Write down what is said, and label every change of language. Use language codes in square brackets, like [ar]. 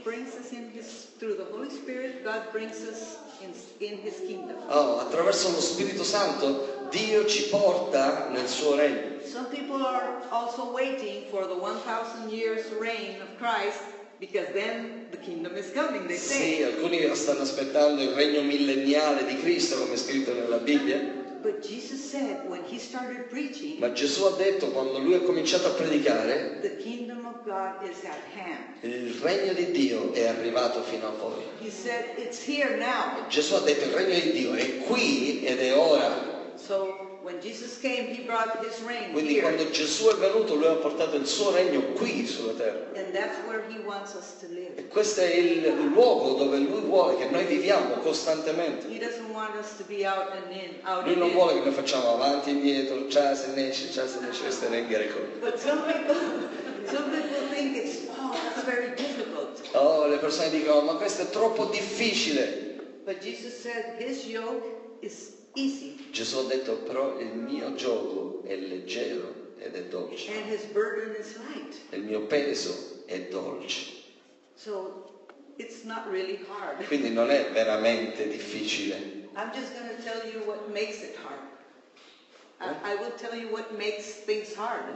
[en] brings us in His through the Holy Spirit. God brings us in His kingdom. [it] Oh, attraverso lo Spirito Santo, Dio ci porta nel suo regno. [en] Some people are also waiting for the 1,000 years reign of Christ because then the kingdom is coming. They say. [it] Sì, alcuni stanno aspettando il regno millenniale di Cristo, come è scritto nella Bibbia. [en] But Jesus said when he started preaching, [it] Ma Gesù ha detto quando lui ha cominciato a predicare, [en] the kingdom of God is at hand. [it] Il regno di Dio è arrivato fino a voi. [en] He said, it's here now. [it] Gesù ha detto il regno di Dio è qui ed è ora. [en] So when Jesus came, he brought his reign [it] Quindi [en] here. [it] Quando Gesù è venuto, lui ha portato il suo regno qui sulla terra. [en] And that's where he wants us to live. [it] E questo è il luogo dove lui vuole che noi viviamo costantemente. [en] He doesn't want us to be out and in, out [it] lui [en] and [it] non [en] in. [it] Vuole che noi facciamo avanti e indietro, ciao se ne esce, questo è in greco. [en] But some people think it's, that's very difficult. [it] Oh, le persone dicono, ma questo è troppo difficile. [en] But Jesus said, his yoke is easy. [it] Gesù ha detto però il mio giogo è leggero ed è dolce. [en] And his burden is light. [it] Il mio peso è dolce. [en] So it's not really hard. [it] Quindi non è veramente difficile. [en] I'm just gonna tell you what makes it hard. I will tell you what makes things hard.